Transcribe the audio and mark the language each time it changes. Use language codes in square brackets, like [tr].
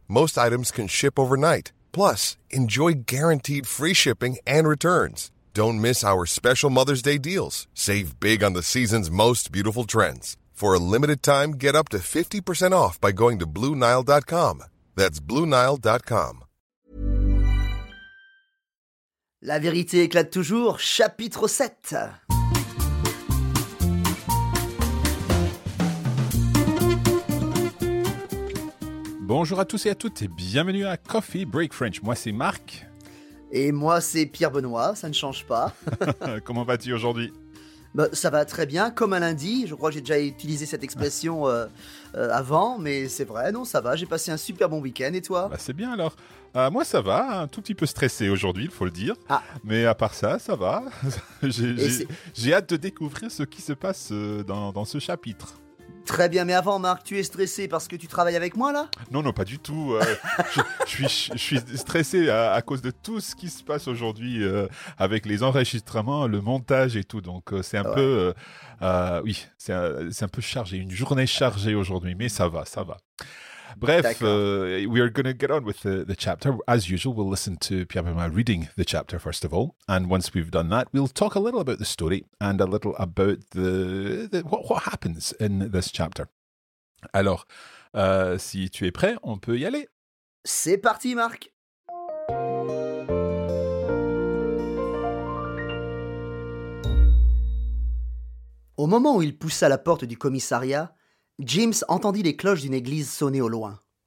[en] Most items can ship overnight. Plus, enjoy guaranteed free shipping and returns. Don't miss our special Mother's Day deals. Save big on the season's most beautiful trends. For a limited time, get up to 50% off by going to BlueNile.com. That's BlueNile.com. [fr] La vérité éclate toujours, chapitre 7. Bonjour à tous et à toutes et bienvenue à Coffee Break French. Moi c'est Marc. Et moi c'est Pierre-Benoît, ça ne change pas. Comment vas-tu aujourd'hui? Ça va très bien, comme un lundi. Je crois que j'ai déjà utilisé cette expression avant, mais c'est vrai, non, ça va. J'ai passé un super bon week-end, et toi? C'est bien alors. Moi ça va, un tout petit peu stressé aujourd'hui, il faut le dire. Ah. Mais à part ça, ça va. j'ai hâte de découvrir ce qui se passe dans ce chapitre. Très bien, mais avant Marc, tu es stressé parce que tu travailles avec moi là? Non, pas du tout, je suis stressé à cause de tout ce qui se passe aujourd'hui avec les enregistrements, le montage et tout, donc c'est un peu, c'est un peu chargé, une journée chargée aujourd'hui, mais ça va. [en] Bref, we are going to get on with the chapter. As usual, we'll listen to Pierre-Benoît reading the chapter first of all, and once we've done that, we'll talk a little about the story and a little about what happens in this chapter. [fr] Alors, si tu es prêt, on peut y aller. C'est parti, Marc. Au moment où il poussa la porte du commissariat, James entendit les cloches d'une église sonner au loin.